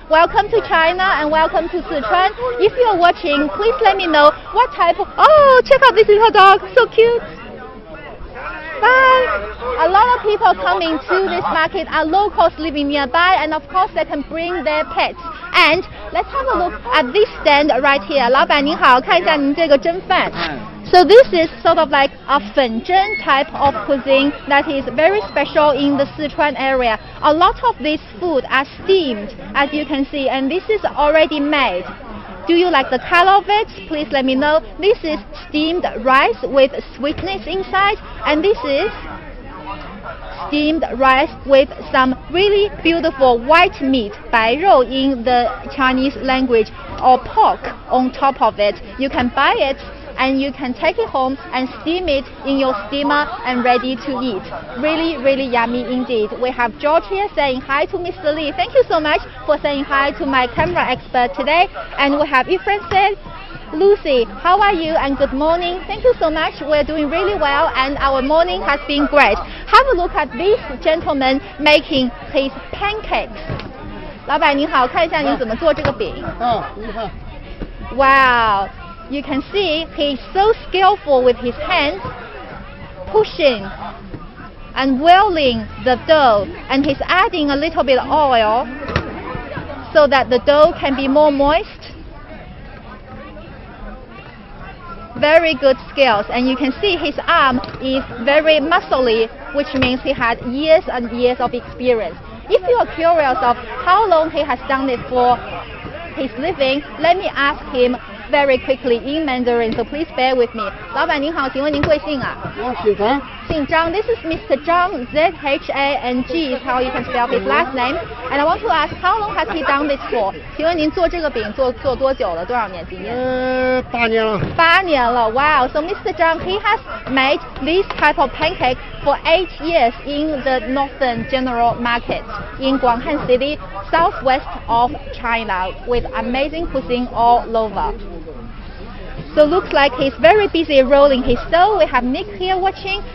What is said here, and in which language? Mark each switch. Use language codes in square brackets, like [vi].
[en] Welcome to China and welcome to Sichuan. If you're watching, please let me know what type of... Oh, check out this little dog. So cute. Bye. A lot of people coming to this market are locals living nearby, and of course they can bring their pets. And let's have a look at this stand right here. [zh] 老板您好，看一下您这个蒸饭。 [en] So this is sort of like a 粉蒸 type of cuisine that is very special in the Sichuan area. A lot of this food are steamed, as you can see, and this is already made. Do you like the color of it? Please let me know. This is steamed rice with sweetness inside, and this is steamed rice with some really beautiful white meat, 白肉 in the Chinese language, or pork on top of it. You can buy it and you can take it home and steam it in your steamer and ready to eat. Really, really yummy indeed. We have George here saying hi to Mr. Lee. Thank you so much for saying hi to my camera expert today. And we have Yifren said, Lucy, how are you and good morning? Thank you so much. We're doing really well and our morning has been great. Have a look at this gentleman making his pancakes. [zh] 老板您好，看一下您怎么做这个饼。 [en] Wow. You can see he's so skillful with his hands, pushing and whirling the dough, and he's adding a little bit of oil so that the dough can be more moist. Very good skills, and you can see his arm is very muscly, which means he had years and years of experience. If you are curious of how long he has done it for his living, let me ask him very quickly in Mandarin, so please bear with me. [zh] 老板您好，请问您贵姓啊？我姓张。姓张， [en] this is Mr. Zhang, Z-H-A-N-G is how you can spell his last name. And I want to ask, how long has he done this for? [zh] 请问您做这个饼做多久了？多少年？几年？八年了。八年了， wow. [en] So Mr. Zhang, he has made this type of pancake for 8 years in the Northern General Market in Guanghan City, southwest of China, with amazing cuisine all over. So looks like he's very busy rolling his dough. We have Nick here watching.